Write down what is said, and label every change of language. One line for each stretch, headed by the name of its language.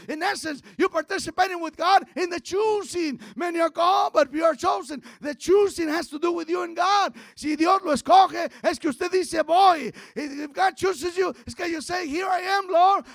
English: In essence, you're participating with God in the choosing. Many are called, but few are chosen. The choosing has to do with you and God.
Spanish: Si Dios lo escoge, es que usted dice, voy.
English: If God chooses you, it's because you say, here I am, Lord.